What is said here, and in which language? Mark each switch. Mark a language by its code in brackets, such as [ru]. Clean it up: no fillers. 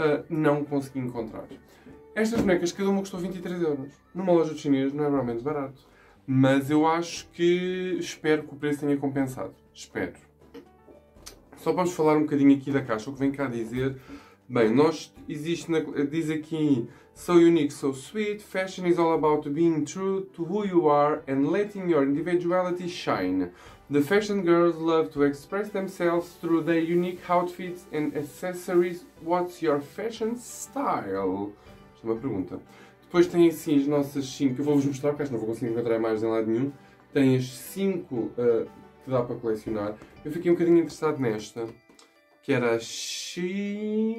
[pt] Não consegui encontrar. Estas bonecas, cada uma custou 23 € numa loja de chinês, não é realmente barato. Mas eu acho que espero que o preço tenha compensado. Espero. Só para vos falar um bocadinho aqui da caixa, o que vem cá dizer. Bem, nós existe na, diz aqui. [en] So unique, so sweet. Fashion is all about being true to who you are and letting your individuality shine. The fashion girls love to express themselves through their unique outfits and accessories. What's your fashion style? [pt] Isto é uma pergunta. Depois tem assim as nossas 5, que eu vou-vos mostrar, porque acho que não vou conseguir encontrar mais em lado nenhum. Tem as 5 que dá para colecionar. Eu fiquei um bocadinho interessado nesta, que era a Shizuka.